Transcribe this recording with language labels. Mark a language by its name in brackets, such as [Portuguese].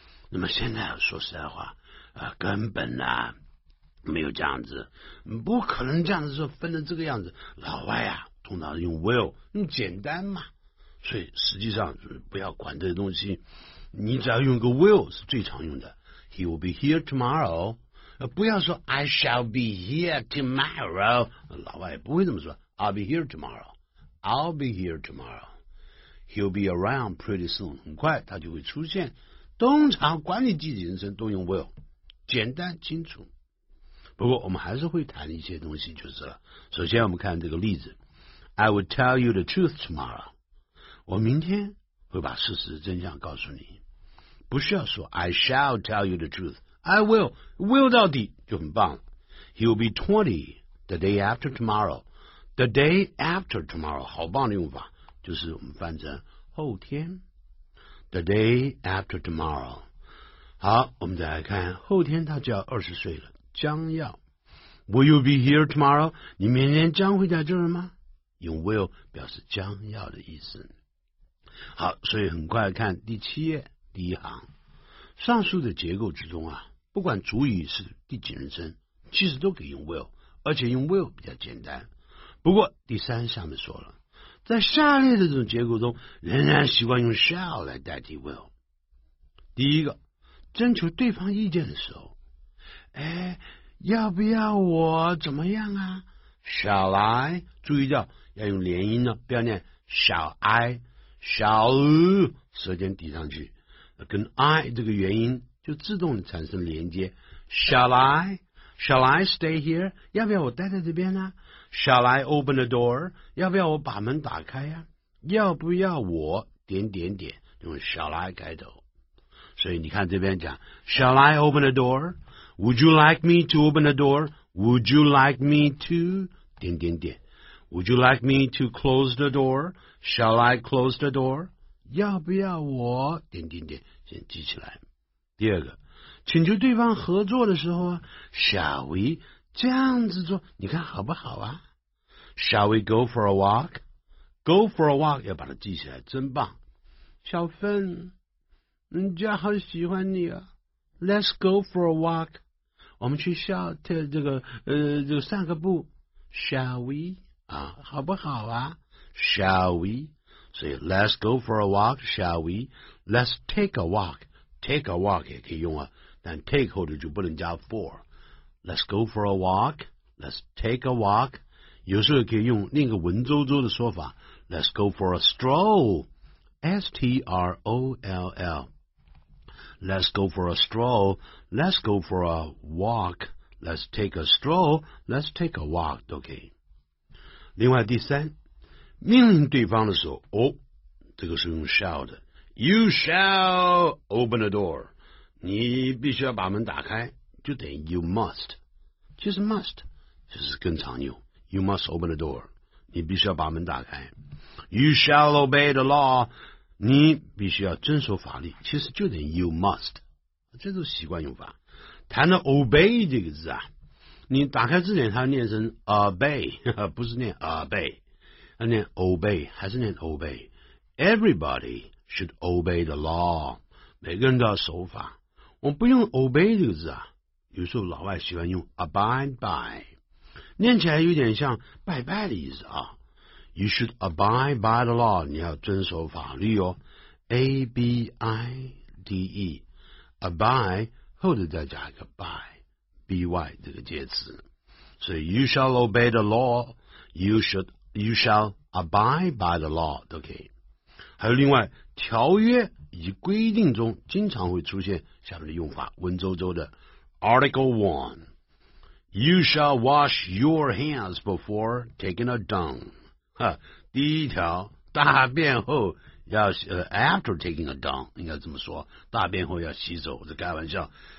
[Chinese] 那么现在说实在话根本呢、没有这样子，不可能这样子说分成这个样子。老外啊通常用 will， 用简单嘛，所以实际上不要管这些东西，你只要用个 will 是最常用的。 [English] he will be here tomorrow，不要说 I shall be here tomorrow，老外不会这么说。 I'll be here tomorrow， I'll be here tomorrow， He'll be around pretty soon，很快他就会出现。 [Chinese] 通常管理自己人生都用 will， 简单清楚。不过我们还是会谈一些东西就是了。首先我们看这个例子， I will tell you the truth tomorrow，我明天会把事实真相告诉你。 [English] 不需要说 I shall tell you the truthI will， will 到底就很棒了。 He will be 20 the day after tomorrow， the day after tomorrow 好棒的用法，就是我们翻成后天， the day after tomorrow。 [Chinese] 好，我们再来看后天他就要20岁了，将要。 [English] Will you be here tomorrow，你明天将会在这儿吗？ [Chinese] 用 will 表示将要的意思。好，所以很快看第七页第一行，上述的结构之中啊，不管主语是第几人称，其实都可以用 will， 而且用 will 比较简单。不过第三项就说了，在下列的这种结构中，仍然习惯用 shall 来代替 will。第一个，征求对方意见的时候，哎，要不要我怎么样啊？ [English] Shall I？ [Chinese] 注意到要用连音呢，不要念 shall I， shall 舌尖抵上去，跟 I 这个元音就自动产生连接。 [English] Shall I？ Shall I stay here？要不要我待在这边呢？ Shall I open the door？要不要我把门打开呀？ [Chinese] 要不要我点点点，用 shall I 开头。 [English] 所以你看这边讲 Shall I open the door？ Would you like me to open the door？ Would you like me to 点点点。 Would you like me to close the door？ Shall I close the door？ [Chinese] 要不要我点点点，先记起来。第二个，请求对方合作的时候啊， Shall we 这样子做，你看好不好啊？ [English] Shall we go for a walk？ Go for a walk 要把它记起来，真棒。 [Chinese] 小芬，人家好喜欢你啊， Let's go for a walk，我们去笑这个散个步。 Shall we 啊，好不好啊？ [English] Shall we， 所以 Let's go for a walk， Shall we， Let's take a walk， Take a walk 也可以用啊，但 take 后头就不能加 for。 Let's go for a walk， Let's take a walk， 有时候可以用另一个文绉绉的说法， Let's go for a stroll， S-T-R-O-L-L。 Let's go for a stroll， Let's go for a walk， Let's take a stroll， Let's take a walk 都可以。 [Chinese] 另外第三，命令对方的时候，哦，这个是用 shall 的。 You shall open the door，你必须要把门打开，就等于 you must， 其实 must 就是更常用， you must open the door，你必须要把门打开。 You shall obey the law，你必须要遵守法律，其实就等于 you must， 这都是习惯用法。谈到 obey 这个字啊，你打开字典它念成 obey， 不是念 obey， 它念 obey 还是念 obey。 [English] Everybody should obey the law，每个人都要守法。 [Chinese] 我们不用 obey 这个字啊，有时候老外喜欢用 abide by， 念起来有点像拜拜的意思啊。 [English] You should abide by the law，你要遵守法律哦。 [Chinese] abide， abide 后头再加一个 by， by 这个介词。 [English] 所以 you shall obey the law， you shall abide by the law 都可以。还有另外条约以及规定中经常会出现下面的用法，文绉绉的 Article 1， You shall wash your hands before taking a dung，第一条，大便后要 after taking a dung，应该这么说，大便后要洗手，这开玩笑。